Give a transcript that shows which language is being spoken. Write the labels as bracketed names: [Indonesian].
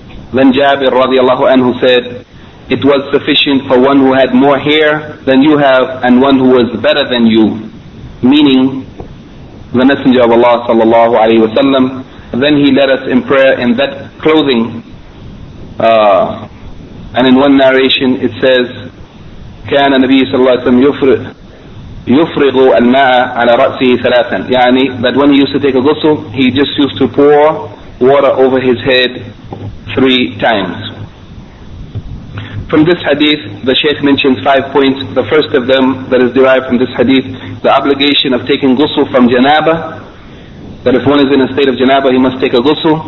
[English] Then Jabir radiallahu anhu said, it was sufficient for one who had more hair than you have and one who was better than you, meaning the Messenger of Allah sallallahu alayhi wa sallam. Then he led us in prayer in that clothing. And in one narration it says, [Arabic] كان النبي صلى الله عليه وسلم يفرغ الماء على رأسه ثلاثا. [English] يعني that when he used to take a ghusl, he just used to pour water over his head three times. From this hadith, the Shaykh mentions five points. The first of them that is derived from this hadith, the obligation of taking ghusl from janaba, that if one is in a state of janaba, he must take a ghusl.